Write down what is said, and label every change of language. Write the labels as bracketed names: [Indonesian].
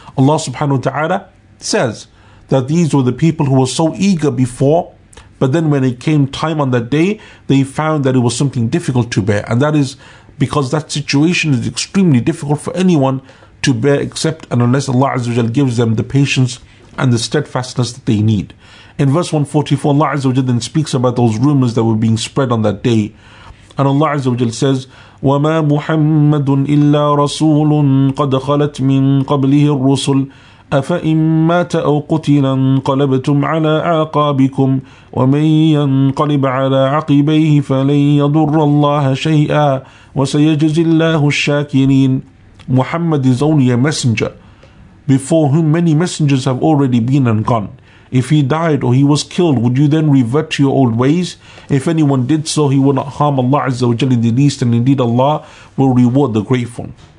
[English] Allah subhanahu wa ta'ala says that these were the people who were so eager before, but then when it came time on that day, they found that it was something difficult to bear. And that is because that situation is extremely difficult for anyone to bear, except and unless Allah Azza wa Jal gives them the patience and the steadfastness that they need. In verse 144, Allah Azza wa Jalla then speaks about those rumors that were being spread on that day. And Allah Azza wa Jalla says, [Arabic] وَمَا مُحَمَّدٌ إِلَّا رَسُولٌ قَدْ خَلَتْ مِنْ قَبْلِهِ الرُّسُلُ أَفَإِن مَاتَ أَوْ قُتِلَ انْقَلَبْتُمْ عَلَىٰ أَعْقَابِكُمْ وَمَنْ يَنْقَلِبْ عَلَىٰ عَقِبَيْهِ فَلَنْ يَضُرَّ اللَّهَ شَيْئًا وَسَيَجْزِي اللَّهُ الشَّاكِرِينَ. [English] Muhammad is only a messenger before whom many messengers have already been and gone. If he died or he was killed, would you then revert to your old ways? If anyone did so, he would not harm Allah Azza wa Jalla in the least, and indeed Allah will reward the grateful.